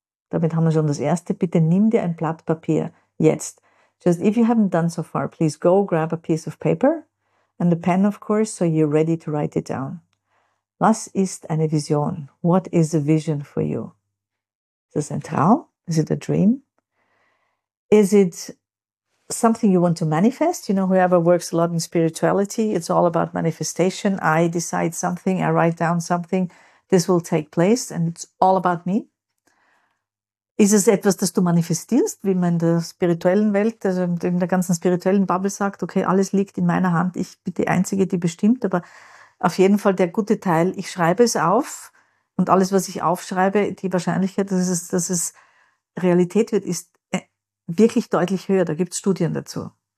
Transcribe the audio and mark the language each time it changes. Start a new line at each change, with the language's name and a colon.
German: Damit haben wir schon das Erste. Bitte nimm dir ein Blatt Papier jetzt.
English: Just if you haven't done so far, please go grab a piece of paper and a pen, of course, so you're ready to write it down.
German: Was ist eine Vision?
English: What is a vision for you? Is it a Traum? Is it a dream? Is it something you want to manifest? You know, whoever works a lot in spirituality, it's all about manifestation. I decide something, I write down something, this will take place, and it's all about me.
German: Ist es etwas, das du manifestierst, wie man in der spirituellen Welt, also in der ganzen spirituellen Bubble sagt, okay, alles liegt in meiner Hand, ich bin die Einzige, die bestimmt, aber auf jeden Fall der gute Teil, ich schreibe es auf, und alles, was ich aufschreibe, die Wahrscheinlichkeit, dass es Realität wird, ist wirklich deutlich höher, da gibt es Studien dazu.